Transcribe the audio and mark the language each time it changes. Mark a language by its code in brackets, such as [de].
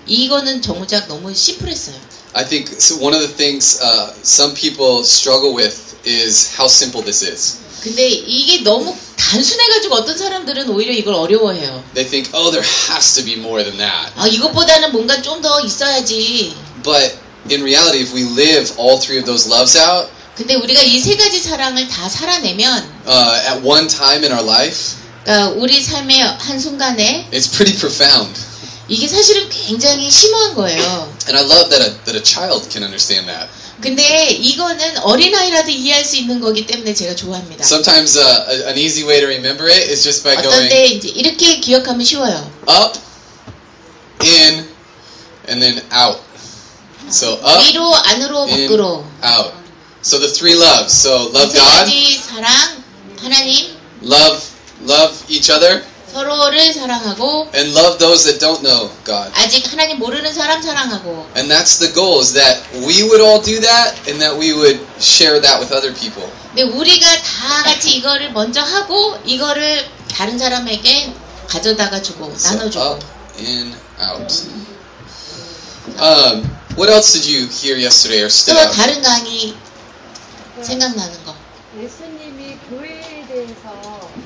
[ko] 이거는 정작 너무 심플했어요. [en] I think so one of the things some people struggle with is how simple this is. [ko] 근데 이게 너무 단순해가지고 어떤 사람들은 오히려 이걸 어려워해요. [en] They think, oh, there has to be more than that. [ko] 이것보다는 뭔가 좀 더 있어야지. [en] But in reality, if we live all three of those loves out, [ko] 근데 우리가 이 세 가지 사랑을 다 살아내면, [en] at one time in our life, [ko] 그러니까 우리 삶의 한 순간에, [en] it's pretty profound. [ko] 이게 사실은 굉장히 심오한 거예요. [en] And I love that a child can understand that. [ko] 근데 이거는 어린아이라도 이해할 수 있는 거기 때문에 제가 좋아합니다. [en] Sometimes an easy way to remember it is just by going [ko] 어떤 때 이제 이렇게 기억하면 쉬워요. [en] Up, in, and then out. So up, [ko] 위로, 안으로, 밖으로. [en] Out. So the three loves. So love God. [ko] 세 가지 사랑, 하나님. [en] Love each other. [ko] 서로를 사랑하고 [en] and love those that don't know God. [ko] 아직 하나님 모르는 사람 사랑하고 [en] and that's the goal is that we would all do that and that we would share that with other people. [ko] 근데 우리가 다 같이 이거를 먼저 하고 이거를 다른 사람에게 가져다가 주고 [en] so [ko] 나눠주고 [en] up in out. What else did you hear yesterday or still [ko] 또 다른 강의 생각나는 거 예수님이 교회에 대해서